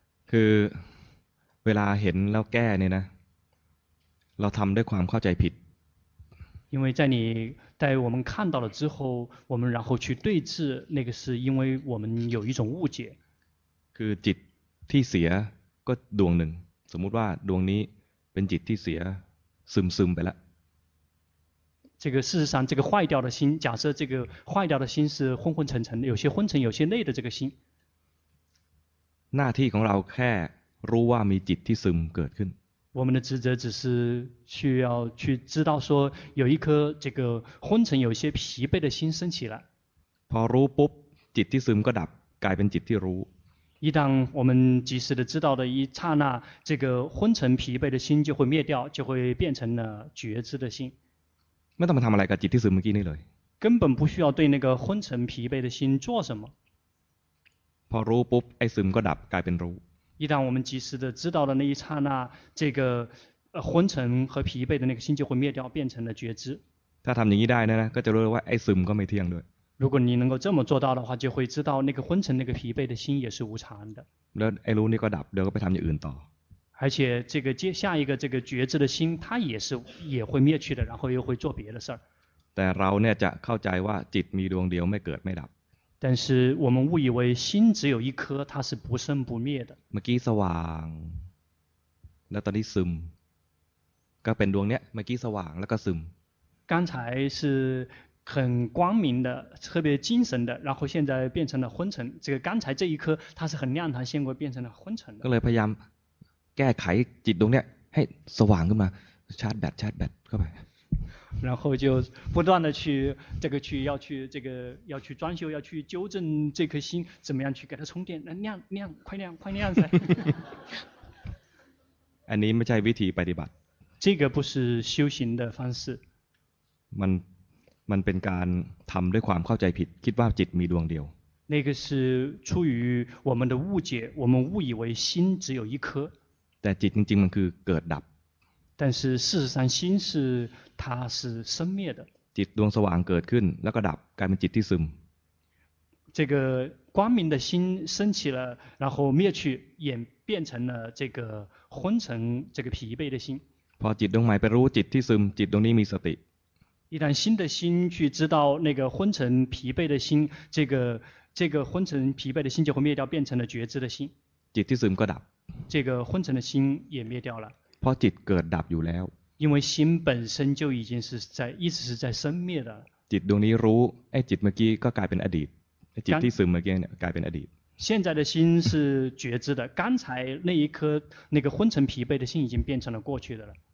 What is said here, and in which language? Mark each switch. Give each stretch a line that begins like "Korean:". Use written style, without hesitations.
Thai: คือเวลาเห็นแล้วแก้เนี่ยนะเราทำด้วยความเข้าใจผิด
Chinese: 因为在我们看到了之后我们然后去对治那个是因为我们有一种误解
Thai: คือจิตที่เสียก็ดวงหนึ่งสมมติว่าดวงนี้เป็นจิตที่เสียซึมไปแล้ว
Chinese: 这个事实上这个坏掉的心假设这个坏掉的心是昏昏沉沉有些昏沉有些累的这个心
Thai: หน้าที่ของเราแค่รู้ว่ามีจิตที่ซึมเกิดขึ้น
Chinese: 我们的职责只是需要去知道说有一颗这个昏沉有些疲惫的心升起来
Thai: พอรู้ปุ๊บจิตที่ซึมก็ดับกลายเป็นจิตที่รู้
Chinese: 一旦我们及时的知道的一刹那，这个昏沉疲惫的心就会灭掉，就会变成了觉知的心。
Thai: ไม่ต้องมาทำอะไรกับจิตที่ซึมเมื่อกี้นี่เลย。
Chinese: 根本不需要对那个昏沉疲惫的心做什么。
Thai: พอรู้ปุ๊บไอ้ซึมก็ดับกลายเป็นรู้。
Chinese: 一旦我们及时的知道的那一刹那，这个昏沉和疲惫的那个心就会灭掉，变成了觉知。
Thai: ถ้าทำอย่างนี้ได้นะก็จะรู้ว่าไอ้ซึมก็ไม่เที่ยงด้วย。
Chinese: 如果你能够这么做到的话，就会知道那个昏沉、那个疲惫的心也是无常的。
Thai: แล้วไอ้รู้นี่ก็ดับเดี๋ยวก็ไปทำอย่างอื่นต่อ
Chinese: 而且这个接下一个这个觉知的心，它也是也会灭去的，然后又会做别的事儿。
Thai: แต่เราเนี่ยจะเข้าใจว่าจิตมีดวงเดียวไม่เกิดไม่ดับ
Chinese: 但是我们误以为心只有一颗，它是不生不灭的。
Thai: เมื่อกี้สว่างแล้วตอนนี้ซึมก็เป็นดวงเนี้ยเมื่อกี้สว่างแล้วก็ซึม
Chinese: 刚才是很光明的，特别精神的，然后现在变成了昏沉。这个刚才这一颗它是很亮，它现在变成了昏沉的。
Thai: ก็เลยพยายามแก้ไขจิตดวงเนี้ยให้สว่างขึ้นมาชาร์จแบตชาร์จแบตเข้าไป
Chinese: 然后就不断的去这个去要去这个要去装修，要去纠正这颗心，怎么样去给它充电？那亮亮，快亮快亮噻！
Thai: อันนี้ไม่ใช่วิธีปฏิบัติ
Chinese: 这个不是修行的方式。
Thai: มันเป็นการทำด้วยความเข้าใจผิดคิดว่าจิตมีดวงเดียว
Chinese: 那个是出于我们的误解，我们误以为心只有一颗。
Thai: แต่จิตจริงๆมันคือเกิดดับ
Chinese: 但是事实上心是它是生灭的
Thai: จิตดวงสว่างเกิดขึ้นแล้วก็ดับกลายเป็นจิตที่ซึม
Chinese: 这个光明的心升起了然后灭去演变成了这个昏沉这个疲惫的心
Thai: พอจิตดวงใหม่ไปรู้จิตที่ซึมจิตดวงนี้มีสติ
Chinese: 一旦新的心去知道那个昏沉疲惫的心，这个昏沉疲惫的心就会灭掉，变成了觉知的心。
Thai: จิตที่ซึมก็ดับ
Chinese: 这个昏沉的心也灭掉了。
Thai: เพราะจิตเกิดดับอยู่แล้ว
Chinese: 因为心本身就已经是在一直是在生灭的。
Thai: จิตดวงนี้รู้ไอ้จิตเมื่อกี้ก็กลายเป็นอดีต จิตที่ซึมเมื่อกี้เนี่ยกลายเป็นอดีต
Chinese: 现在的心是觉知的，刚才那一颗那个昏沉疲惫的心已经变成了过去的了。